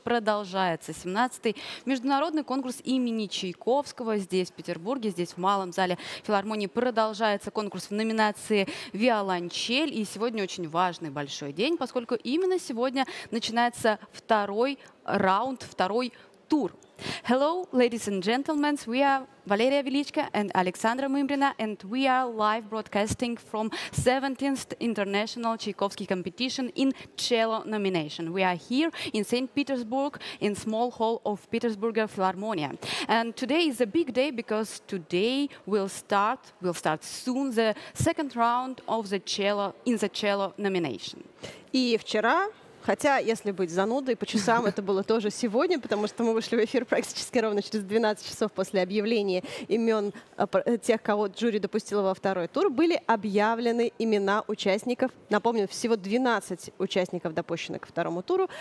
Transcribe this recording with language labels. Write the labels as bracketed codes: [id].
[ru] Продолжается 17-й международный конкурс имени Чайковского. Здесь, в Петербурге, здесь, в Малом зале филармонии, продолжается конкурс в номинации «Виолончель». И сегодня очень важный большой день, поскольку именно сегодня начинается второй раунд, второй тур. [en] Hello, ladies and gentlemen. We are Valeria Velichka and Alexandra Mimbrina, and we are live broadcasting from 17th International Tchaikovsky Competition in Cello Nomination. We are here in St. Petersburg, in small hall of Petersburger Philharmonia. And today is a big day because today we'll start soon the second round of the cello in the cello nomination. [ru] И вчера. Хотя, если быть занудой, по часам это было тоже сегодня, потому что мы вышли в эфир практически ровно через 12 часов после объявления имен тех, кого жюри допустило во второй тур, были объявлены имена участников. Напомню, всего 12 участников допущены ко второму туру.